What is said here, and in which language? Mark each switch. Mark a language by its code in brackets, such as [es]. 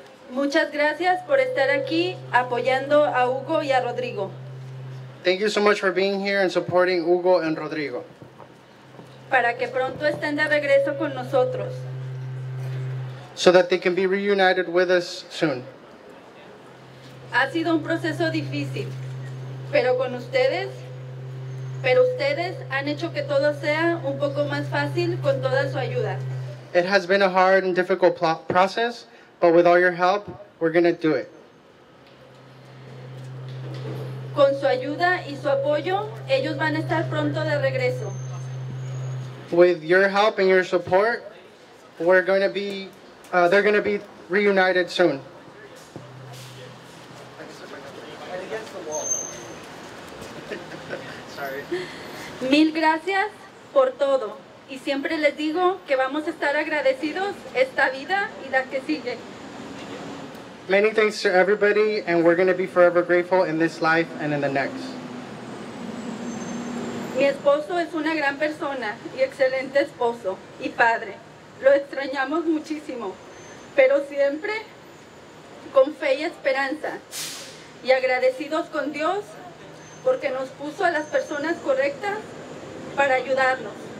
[es] Muchas gracias por estar aquí apoyando a Hugo y a Rodrigo. [en] Thank you so much for being here and supporting Hugo and Rodrigo. [es] Para que pronto estén de regreso con nosotros. [en] So that they can be reunited with us soon. [es] Ha sido un proceso difícil, pero con ustedes, han hecho que todo sea un poco más fácil con toda su ayuda. [en] It has been a hard and difficult process, but with all your help, we're going to do it. [es] Con su ayuda y su apoyo, ellos van a estar pronto de regreso. [en] With your help and your support, we're going to be, they're going to be reunited soon. [es] Mil gracias por todo. Y siempre les digo que vamos a estar agradecidos esta vida y la que sigue. [en] Many thanks to everybody, and we're going to be forever grateful in this life and in the next. [es] Mi esposo es una gran persona y excelente esposo y padre. Lo extrañamos muchísimo, pero siempre con fe y esperanza. Y agradecidos con Dios porque nos puso a las personas correctas para ayudarnos.